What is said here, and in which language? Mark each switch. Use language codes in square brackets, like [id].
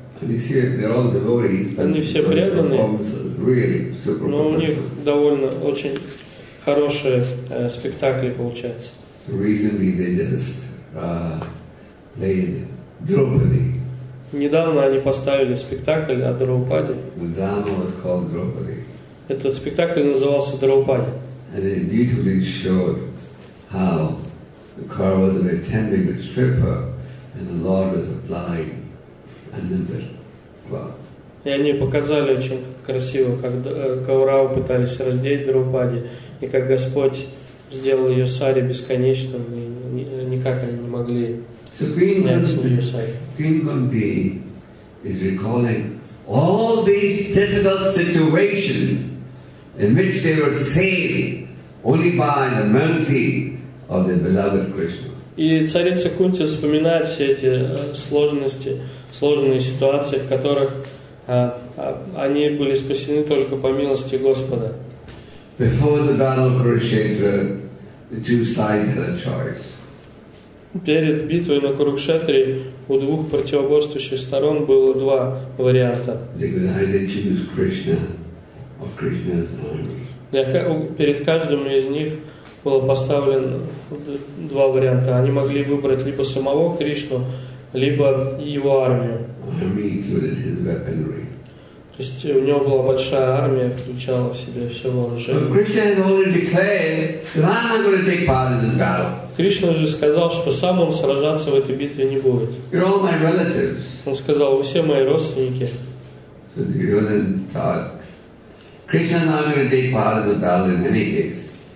[ru] Они все преданные, но у них довольно очень хорошие спектакли получаются. [en] Recently they just played Draupadi. [ru] Недавно они поставили спектакль о Драупаде. [en] The drama was called Draupadi. [ru] Этот спектакль назывался Драупади. [en] And they beautifully showed how the Kauravas were attempting to strip her, and the Lord was applying a nimbus cloth. [ru] И они показали очень красиво, как Кауравы пытались раздеть Драупади. И как Господь сделал ее сари бесконечным, и никак они не могли снять с нее сари. [en] Queen Kunti is recalling all these difficult situations in which they were saved only by the mercy of the beloved Krishna. [ru] И царица Кунти вспоминает все эти сложности, сложные ситуации, в которых они были спасены только по милости Господа. [en] Before the battle of Kurukshetra, the two sides had a choice. [ru] Перед битвой на Курукшетре у двух противоборствующих сторон было два варианта. [en] They could either choose Krishna or Krishna's army. [ru] Перед каждым из них было поставлено два варианта. Они могли выбрать либо самого Кришну, либо его армию. [en] Army included his weaponry. [ru] То есть у него была большая армия, включала в себя все вооружение. [en] Krishna had already declared that I'm not going to take part in this battle. [ru] Кришна же сказал, что сам он сражаться в этой битве не будет. [en] You're all my relatives. [ru] Он сказал, вы все мои родственники. [en] So Duryodhan thought, Krishna is not going to take part in the battle in any case.